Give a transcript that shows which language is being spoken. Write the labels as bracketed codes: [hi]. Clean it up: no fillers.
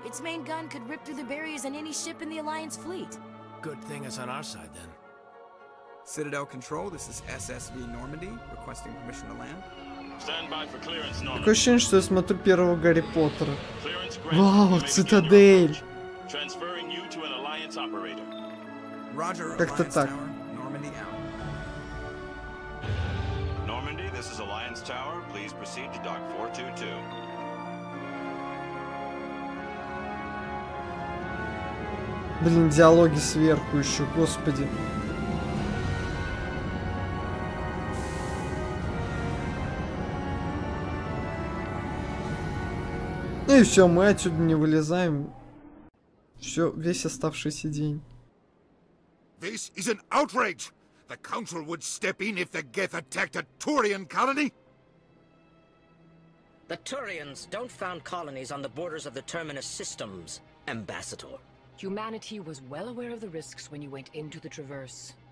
[en] Its main gun could rip through the barriers in any ship in the Alliance fleet. Good thing it's on our side then. Citadel Control, this is SSV Normandy, requesting permission to land. Stand by for clearance, Normandy. [ru] Такое ощущение, что я смотрю первого Гарри Поттера. Вау, Цитадель! [en] Transferring you to an Alliance operator. Roger, Alliance Tower, Normandy out. Normandy, this is Alliance Tower, please proceed to Dock 422. [ru] Блин, диалоги сверху еще, господи. Ну и все, мы отсюда не вылезаем. Все, весь оставшийся день. [en] This is an outrage. The council would step in if the Geth attacked a Turian colony. The Turians don't found colonies on the borders of the Terminus systems, Ambassador. Humanity was well aware of the risks when you went into the Traverse.